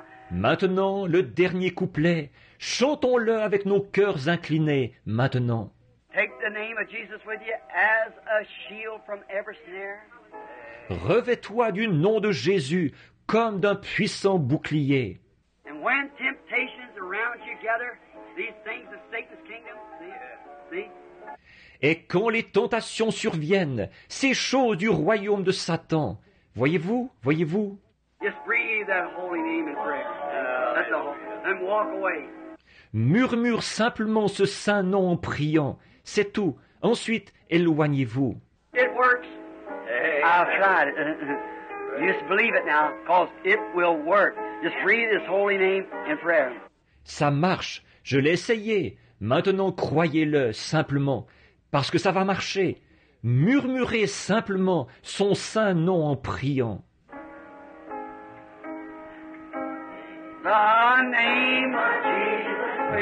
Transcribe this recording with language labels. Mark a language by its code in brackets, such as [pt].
[fr] Maintenant, le dernier couplet. Chantons-le avec nos cœurs inclinés, maintenant. [en] Take the name of Jesus with you as a shield from every snare. [fr] Revêt-toi du nom de Jésus comme d'un puissant bouclier. [en] And when temptations around you gather, these things of Satan's kingdom, see? [fr] Et quand les tentations surviennent, ces choses du royaume de Satan, voyez-vous, voyez-vous? [en] Just breathe that holy name in prayer. That's all. And walk away. [fr] Murmure simplement ce saint nom en priant. C'est tout. Ensuite, éloignez-vous. [en] It works. Hey. I've tried it. Just believe it now, because it will work. Just read His holy name in prayer. [fr] Ça marche. Je l'ai essayé. Maintenant, croyez-le simplement, parce que ça va marcher. Murmurez simplement son saint nom en priant. [en] The name of Jesus,